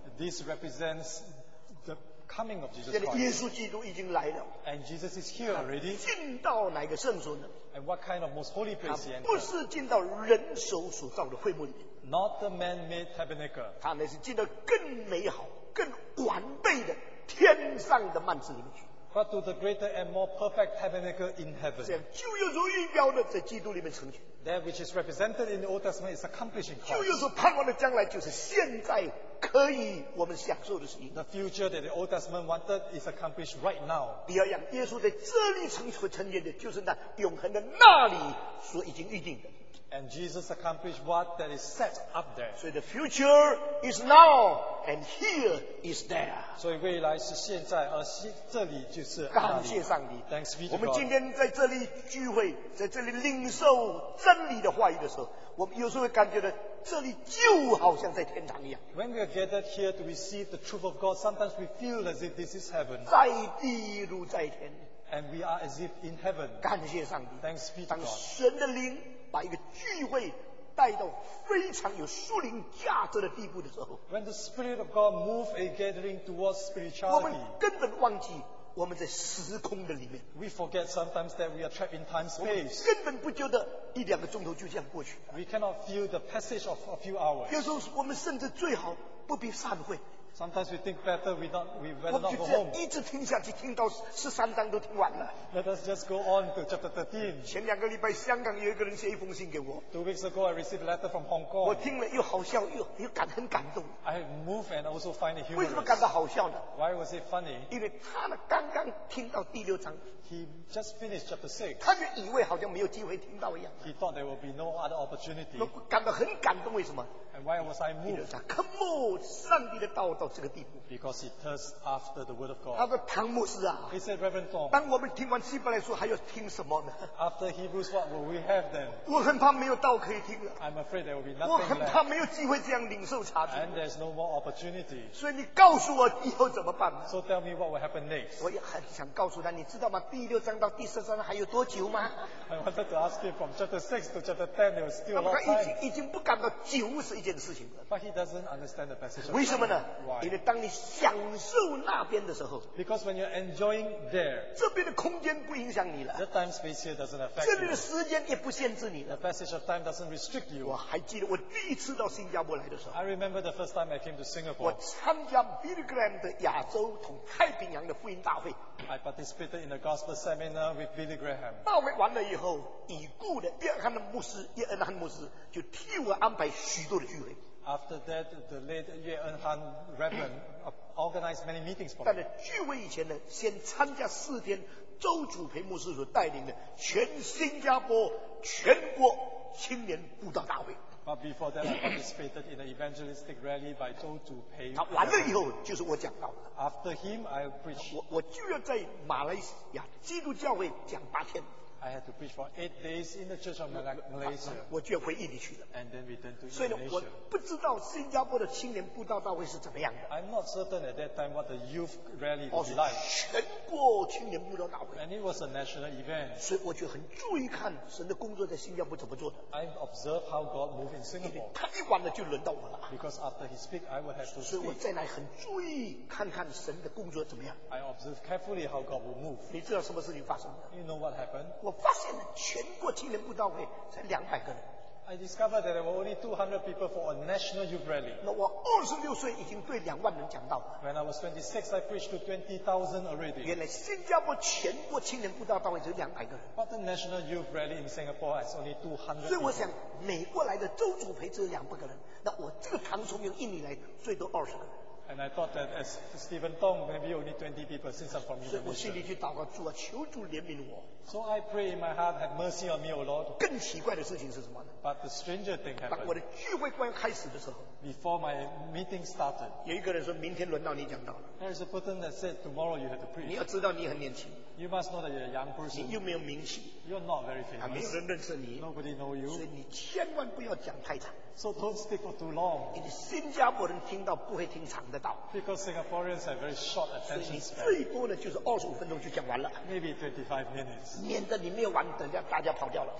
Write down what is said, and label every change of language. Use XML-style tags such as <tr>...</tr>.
<en>This represents the coming of Jesus Christ.</en> <zh>现在耶稣基督已经来了。</zh> <en>And Jesus is here already.</en> <zh>进到哪个圣所呢？</zh> <en>And what kind of most holy place he entered?</en> <zh>不是进到人手所造的会幕里。</zh> <en>Not the man-made tabernacle.</en> <zh>他那是进到更美好。更完备的天上的幔子里面去。</zh> <en>But to the greater and more perfect tabernacle in heaven.</en> <zh>这样旧约所预表的在基督里面成全。</zh> <en>That which is represented in the Old Testament is accomplishing Christ.</en> <zh>旧约所盼望的将来就是现在可以我们享受的事情。</zh> <en>The future that the Old Testament wanted is accomplished right now.</en> <zh>第二样，耶稣在这里成全的，就是那永恒的那里所已经预定的。</zh> <en>And Jesus accomplished what that is set up there. So the future is now, and here is there.</en> <zh>所以未来是现在，而这里就是那里。感谢上帝。</zh> <en>Thanks be to God.</en> <zh>我们今天在这里聚会，在这里领受真理的话语的时候，我们有时候会感觉到这里就好像在天堂一样。</zh> <en>When we are gathered here to receive the truth of God, sometimes we feel as if this is heaven.</en> <zh>在地如在天。</zh> <en>And we are as if in heaven.</en> <zh>感谢上帝。</zh> <en>Thanks be to God.</en> <zh>当神的灵把一个聚会带到非常有属灵价值的地步的时候</zh> <en>，When the Spirit of God moves a gathering towards spirituality，</en> <zh>我们根本忘记我们在时空的里面。</zh> <en>We forget sometimes that we are trapped in time space。</en> <zh>根本不觉得一两个钟头就这样过去。</zh> <en>We cannot feel the passage of a few hours。</en> <zh>有时候我们甚至最好不必散会。</zh> <en>Sometimes we think better we better not go home.</en> <zh>一直听下去，听到13章都听完了。</zh> <en>Let us just go on to chapter 13.</en> <zh>前两个礼拜，香港有一个人写一封信给我。</zh> <en>Two weeks ago, I received a letter from Hong Kong.</en> <zh>我听了又好笑又很感动。</zh> <en>I move and also find it humorous.</en> <zh>为什么感到好笑呢？</zh> <en>Why was it funny?</en> <zh>因为他呢刚刚听到第六章。</zh> <en>He just finished chapter 6.</en> <zh>他就以为好像没有机会听到一样。</zh> <en>He thought there will be no other opportunity.</en> <zh>感到很感动，为什么？</zh> <en>And why was I moved? Come on,</en> <zh>上帝的道。到这个地步。</zh> <en>Because he thirsts after the word of God.</en> <zh>他说唐牧师啊</zh> <en>，He said Reverend Thong.</en> <zh>当我们听完希伯来书，还要听什么呢</zh> <en>？After Hebrews, what will we have then?</en> <zh>我很怕没有道可以听了。</zh> <en>I'm afraid there will be nothing left.</en> <zh>我很怕没有机会这样领受查经。</zh> <en>And there's no more opportunity.</en> <zh>所以你告诉我以后怎么办</zh> <en>？So tell me what will happen next.</en> <zh>我也很想告诉他，你知道吗？第六章到第十章还有多久吗</zh> <en>？I wanted to ask him from chapter 6 to chapter 10, there's still a lot of time.</en> <zh>已经不感到久是一件事情了。</zh> <en>But he doesn't understand the passage.</en> <zh>为什么呢？</zh> <en>Why?</en> <zh>因为当你享受那边的时候</zh> <en>，Because when you're enjoying there，</en> <zh>这边的空间不影响你了。</zh> <en>The time space here doesn't affect you。</en> <zh>这边的时间也不限制你了。</zh> <en>The passage of time doesn't restrict you。</en> <zh>我还记得我第一次到新加坡来的时候</zh> <en>，I remember the first time I came to Singapore。</en> <zh>我参加 Billy Graham 的亚洲同太平洋的福音大会。</zh> <en>I participated in the gospel seminar with Billy Graham。</en> <zh>大会完了以后，已故的约翰的牧师约恩汉牧师就替我安排许多的聚会。</zh> <en>After that, the late Yue Eun Han Reverend organized many meetings for me.</en> <zh>但是聚会以前呢，先参加四天周祖培牧师所带领的全新加坡全国青年布道大会。</zh> <en>But before that, I participated in an evangelistic rally by 周祖培。</en> <zh>他完了以后就是我讲到的。</zh> <en>After him, I preached.</en> <zh>我就要在马来西亚基督教会讲八天。</zh> <en>I had to preach for 8 days in the church of Malaysia.</en> <zh>我就回印尼去了。</zh> <en>And then returned to Indonesia.</en> <zh>所以我不知道新加坡的青年布道大会是怎么样的。</zh> <en>I'm not certain at that time what the youth rally was like.</en> <zh>全国青年布道大会。</zh> <en>And it was a national event.</en> <zh>所以我就很注意看神的工作在新加坡怎么做的。</zh> <en>I observed how God moved in Singapore.</en> <zh>太晚了就轮到我了。</zh> <en>Because after he speak, I would have to speak.</en> <zh>所以我再来很注意看看神的工作怎么样。</zh> <en>I observed carefully how God will move.</en> <zh>你知道什么事情发生</zh> <en>了？ You know what happened?</en> <zh>发现了全国青年布道会才200个人。</zh> <en>I discovered that there were only 200 people for a national youth rally.</en> <zh>那我26岁已经对两万人讲道了。</zh> <en>When I was 26, I preached to 20,000 already.</en> <zh>原来新加坡全国青年布道大会只有200个人。</zh> <en>But the national youth rally in Singapore has only 200.</en> <zh>所以我想，美国来的周祖培只有200个人，那我这个唐崇明印尼来最多20个人。</zh> <en>And I thought that as Stephen Tong, maybe only 20 people since I'm from Indonesia.</en> <zh>所以我心里去祷告，主啊，求主怜悯我。</zh> <en>So I pray in my heart, have mercy on me, O Lord.</en> <zh>更奇怪的事情是什么呢</zh> <en>？But the stranger thing happened.</en> <zh>当我的聚会刚开始的时候</zh> <en>，Before my meeting started,</en> <zh>有一个人说明天轮到你讲道了。</zh> <en>There is a person that said tomorrow you have to preach.</en> <zh>你要知道你很年轻。</zh> <en>You must know that you're a young person.</en> <zh>你又没有名气。</zh> <en>You're not very famous.</en> <zh>没有人认识你。</zh> <en>Nobody know you.</en> <zh>所以你千万不要讲太长。</zh> <en>So don't speak for too long.</en> <zh>因为新加坡人听到不会听长的道。</zh> <en>Because Singaporeans have very short attention span.</en> <zh>所以你最多呢就是25分钟就讲完了。</zh> <en>Maybe 25 minutes.</en> <zh>免得你没有完，等下大家跑掉了。</zh>